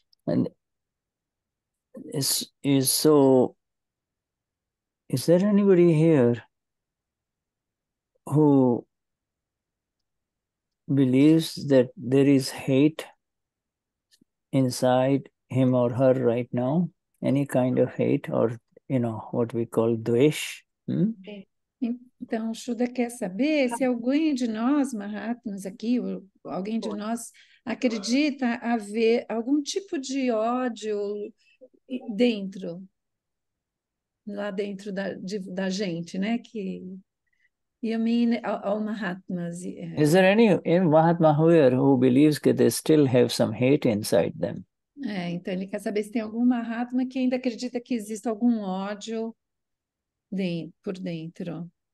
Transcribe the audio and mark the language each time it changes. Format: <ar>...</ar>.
<en>And is so, is there anybody here who believes that there is hate inside him or her right now? Any kind of hate or, you know, what we call dwesh.</en> <pt>Então, Shuddha quer saber se alguém de nós, mahatmas aqui, alguém de nós acredita haver algum tipo de ódio dentro, lá dentro da gente, né?</pt> <en>Que, you mean, all mahatmas. Is there any mahatma here who believes that they still have some hate inside them?</en> <pt>Então ele quer saber se tem algum mahatma que ainda acredita que existe algum ódio por dentro.</pt>